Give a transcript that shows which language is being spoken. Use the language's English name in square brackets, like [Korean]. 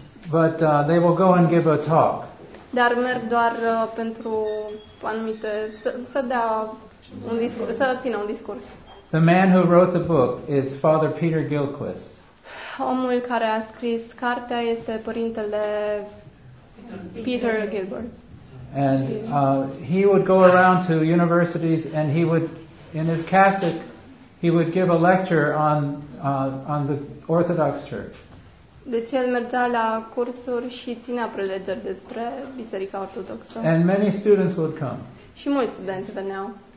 [English] But they will go and give a talk. [Romanian] Dar merg doar pentru anumite să dea un discurs, să țină un discurs. [English] The man who wrote the book is Father Peter Gilchrist. [Romanian] Omul care a scris cartea este părintele Peter Gilbert. [English] And he would go around to universities and he would, in his cassock, he would give a lecture on the Orthodox Church. [Romanian] Deci el mergea la cursuri și ținea prelegeri despre Biserica Ortodoxă. [English] And many students would come. [Romanian] Și mulți studenți veneau.